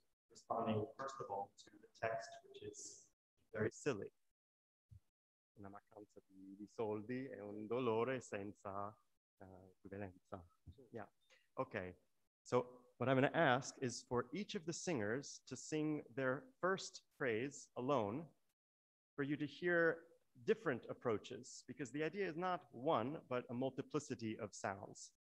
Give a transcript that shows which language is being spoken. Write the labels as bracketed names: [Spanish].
[English] Responding first of all to the text, which is very silly. [Italian] Una mancanza di soldi è un dolore senza equivalenza. [English] Yeah. Okay. So what I'm going to ask is for each of the singers to sing their first phrase alone, for you to hear different approaches, because the idea is not one, but a multiplicity of sounds.